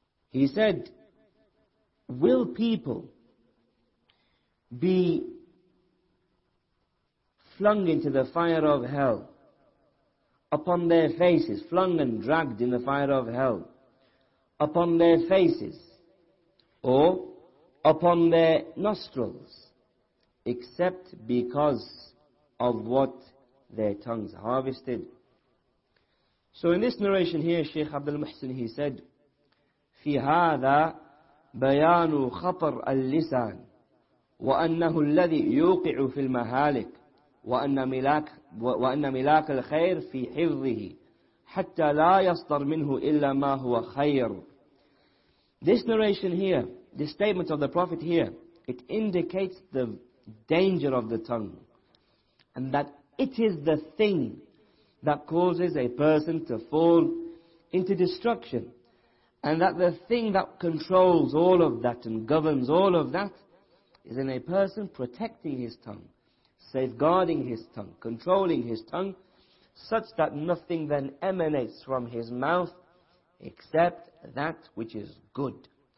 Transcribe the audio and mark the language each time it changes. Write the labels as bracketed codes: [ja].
[en] He said, will people be flung into the fire of hell upon their faces, flung and dragged in the fire of hell upon their faces or upon their nostrils except because of what their tongues harvested? So in this narration here, Shaykh Abdul Muhsin, he said, [ar] في هذا بيان خطر اللسان وأنه الذي يوقع في المهالك وأن ملاك الخير في حفظه حتى لا يصدر منه إلا ما هو خير. [en] This narration here, this statement of the Prophet here, it indicates the danger of the tongue and that it is the thing that causes a person to fall into destruction. And that the thing that controls all of that and governs all of that is in a person protecting his tongue, safeguarding his tongue, controlling his tongue, such that nothing then emanates from his mouth except that which is good.